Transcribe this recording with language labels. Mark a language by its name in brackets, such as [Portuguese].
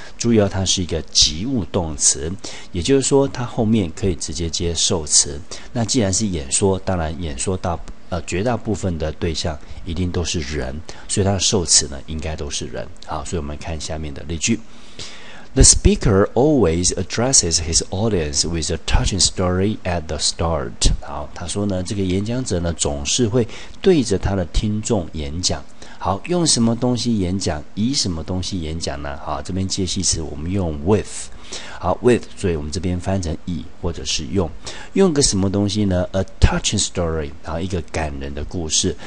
[Chinese] 注意哦，它是一个及物动词，也就是说它后面可以直接接受词。那既然是演说，当然演说到绝大部分的对象一定都是人，所以它的受词呢应该都是人。好，所以我们看下面的例句。 [English] The speaker always addresses his audience with a touching story at the start. [Chinese] 好，他说呢，这个演讲者呢总是会对着他的听众演讲。好，用什么东西演讲？以什么东西演讲呢？好，这边介系词我们用 with。好， with， 所以我们这边翻成以或者是用。用个什么东西呢？ [English] A touching story， [Chinese] 然后一个感人的故事。